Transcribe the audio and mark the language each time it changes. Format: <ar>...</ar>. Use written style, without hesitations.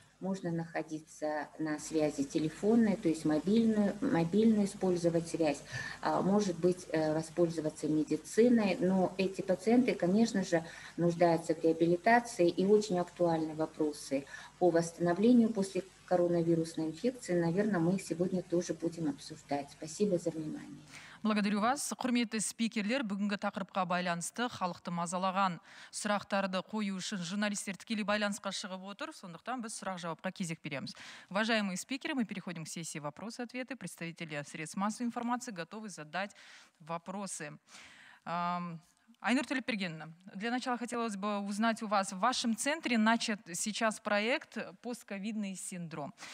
<ru>Можно находиться на связи телефонной, то есть мобильную использовать связь, может быть, воспользоваться медициной. Но эти пациенты, конечно же, нуждаются в реабилитации, и очень актуальны вопросы по восстановлению после коронавирусной инфекции. Наверное, мы их сегодня тоже будем обсуждать. Спасибо за внимание. Благодарю вас,</ru> <kk>құрметті спикерлер. Бүгінгі тақырыпқа байланысты халықты мазалаған сұрақтарды қою үшін журналистер тікелей байланысқа шығып отыр, сондықтан біз сұрақ-жауапқа кезек береміз.</kk> <ru>Уважаемые спикеры, мы переходим к сессии вопрос-ответы. Представители средств массовой информации готовы задать вопросы. Айнур Төлепбергенова, для начала хотелось бы узнать у вас, в вашем центре начат сейчас проект «Постковидный синдром».</ru>